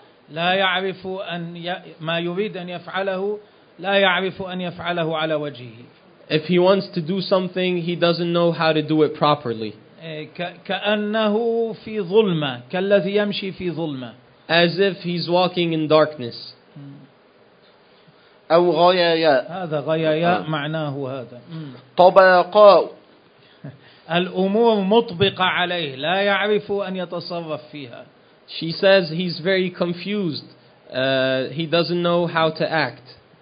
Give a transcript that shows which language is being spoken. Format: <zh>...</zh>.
<ar>لا يعرف أن ما يريد أن يفعله، لا يعرف أن يفعله على وجهه.</ar> <en>If he wants to do something, he doesn't know how to do it properly.</en> <ar>كأنه في ظلمة، كالذي يمشي في ظلمة.</ar> <en>As if he's walking in darkness.</en> <ar>أو غياياء. هذا غياياء معناه هذا. طباقاء. الأمور مطبقة عليه، لا يعرف أن يتصرف فيها.</ar> <en>She says he's very confused. He doesn't know how to act.</en>